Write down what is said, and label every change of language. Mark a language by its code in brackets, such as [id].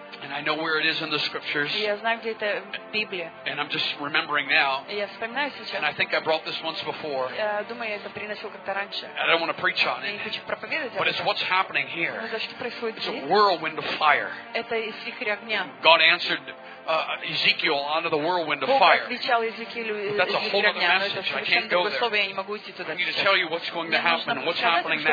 [en] And I know where it is in the scriptures. [ru] Я знаю, где это в Библии. [en] And I'm just remembering now. [ru] Я вспоминаю сейчас. [en] And I think I brought this once before. [ru] Думаю, я это приносил как-то раньше. [en] I don't want to preach on it. [ru] Я не хочу проповедовать об этом. [en] But it's what's happening here. [ru] Но за что происходит здесь? [en] It's a whirlwind of fire. [ru] Это из вихря огня. [en] God answered Ezekiel onto the whirlwind of fire. [ru] Бог отвечал Езекиилю. [en] That's a whole other message. I can't go there. [ru] Я не могу идти туда. [en] I need to tell you what's going to happen and what's happening now.